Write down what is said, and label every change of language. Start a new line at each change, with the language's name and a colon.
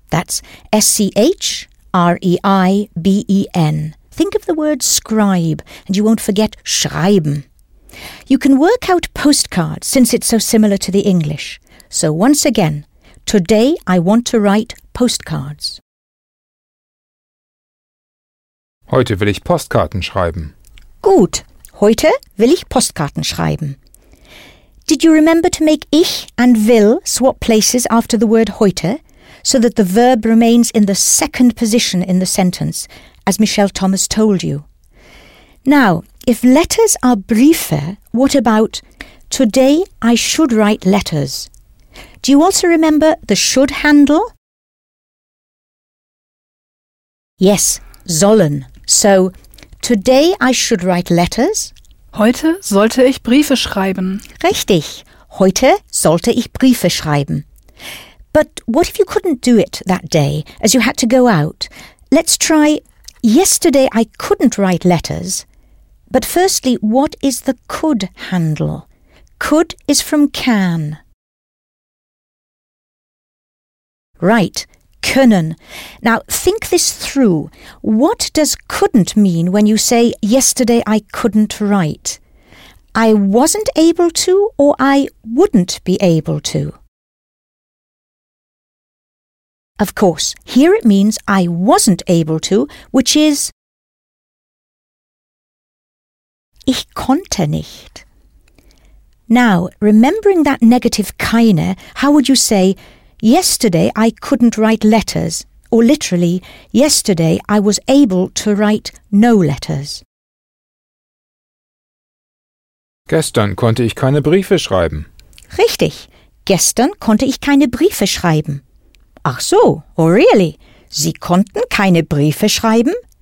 English: That's S-C-H-R-E-I-B-E-N. Think of the word scribe and you won't forget schreiben. You can work out postcards since it's so similar to the English. So once again, today I want to write postcards.
German: Heute will ich Postkarten schreiben. Gut, heute will ich Postkarten schreiben.
English: Did you remember to make ich and will swap places after the word heute so that the verb remains in the second position in the sentence, as Michelle Thomas told you? Now, if letters are Briefe, what about today I should write letters? Do you also remember the should handle? Yes, sollen. So, today I should write letters.
German: Heute sollte ich Briefe schreiben. Richtig. Heute sollte ich Briefe schreiben.
English: But what if you couldn't do it that day, as you had to go out? Let's try, yesterday I couldn't write letters. But firstly, what is the could handle? Could is from can. Right. Können. Now, think this through. What does couldn't mean when you say, yesterday I couldn't write? I wasn't able to or I wouldn't be able to? Of course, here it means I wasn't able to, which is
German: ich konnte nicht.
English: Now, remembering that negative keine, how would you say yesterday I couldn't write letters? Or literally, yesterday I was able to write no letters.
German: Gestern konnte ich keine Briefe schreiben. Richtig. Gestern konnte ich keine Briefe schreiben. Ach so,
English: oh really?
German: Sie konnten keine Briefe schreiben?